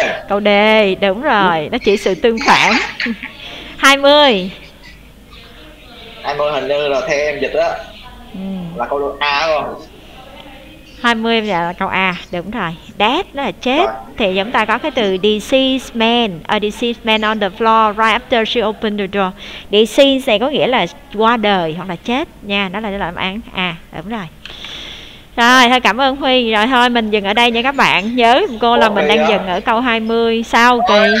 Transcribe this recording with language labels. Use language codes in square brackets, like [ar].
[vi] Câu D, đúng rồi. Nó chỉ sự tương phản. 20. 20 hình như là theo em dịch á. Ừ. Là câu A con. 20 là câu A, đúng rồi. Dead là chết. Rồi. Thì chúng ta có cái từ deceased man. [en] A deceased man on the floor right after she opened the door. [vi] Deceased này có nghĩa là qua đời hoặc là chết nha. Đó là đáp án A, đúng rồi. Rồi, thôi cảm ơn Huy. Rồi thôi, mình dừng ở đây nha các bạn. Nhớ cô là mình đang dừng ở câu 20. Sao kì?